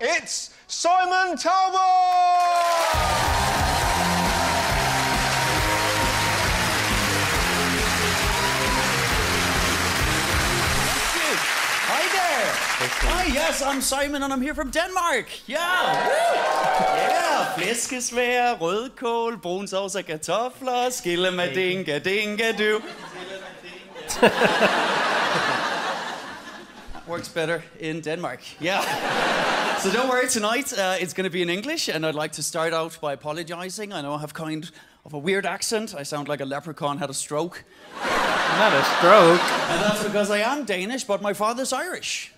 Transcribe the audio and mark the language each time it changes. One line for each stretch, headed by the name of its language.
English: It's Simon Talbot! Hi, yes, I'm Simon, and I'm here from Denmark. Yeah! Yeah!
Danish: Flæskesvær, rødkål, brunsovs og kartofler, skille med dinka, dinka, du.
English: Works better in Denmark. Yeah. So don't worry, tonight it's going to be in English, and I'd like to start out by apologizing. I know I have kind of a weird accent. I sound like a leprechaun had a stroke. Not a stroke. And that's because I am Danish, but my father's Irish.